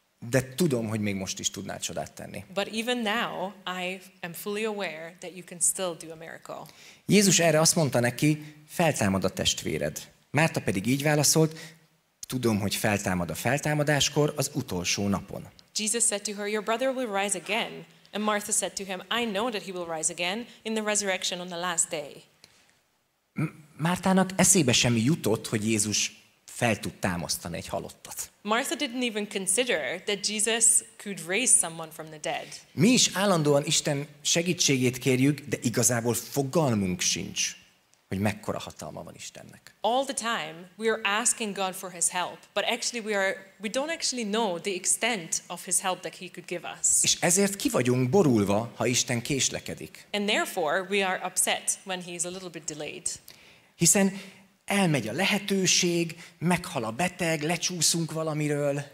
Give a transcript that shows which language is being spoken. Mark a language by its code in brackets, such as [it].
[hu] De tudom, hogy még most is tudnál csodát tenni. [en] But even now, I am fully aware that you can still do a miracle. [hu] Jézus erre azt mondta neki, feltámad a testvéred. Márta pedig így válaszolt, tudom, hogy feltámad a feltámadáskor, az utolsó napon. [en] Jesus said to her, your brother will rise again. And Martha said to him, I know that he will rise again in the resurrection on the last day. [hu] Mártának eszébe sem jutott, hogy Jézus fel tud támasztani egy halottat. [en] Martha didn't even consider that Jesus could raise someone from the dead. [hu] Mi is állandóan Isten segítségét kérjük, de igazából fogalmunk sincs, hogy mekkora hatalma van Istennek. [en] All the time we are asking God for his help, but actually we don't actually know the extent of his help that he could give us. [hu] És ezért ki vagyunk borulva, ha Isten késlekedik. [en] And therefore we are upset when he is a little bit delayed. [hu] Hiszen elmegy a lehetőség, meghal a beteg, lecsúszunk valamiről.